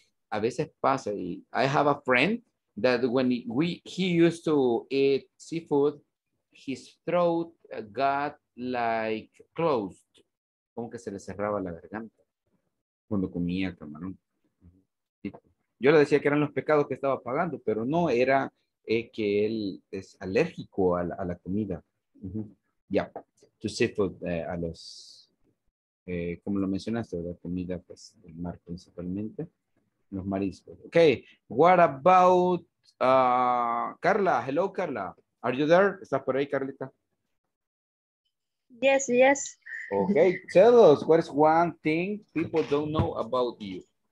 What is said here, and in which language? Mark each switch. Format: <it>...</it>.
<es>A veces pasa y</es> <en>I have a friend that when he used to eat seafood, his throat got like closed.</en> <es>Como que se le cerraba la garganta cuando comía camarón. Yo le decía que eran los pecados que estaba pagando, pero no, era que él es alérgico a la comida. Uh-huh. Yeah, to seafood, a los, como lo mencionaste, la comida, pues, el mar principalmente, los mariscos.</es> <en>Okay, what about Carla, hello Carla, are you there?</en> <es>¿Estás por ahí, Carlita?</es> <en>Yes, yes. Okay, tell us, what is one thing people don't know about you?</en>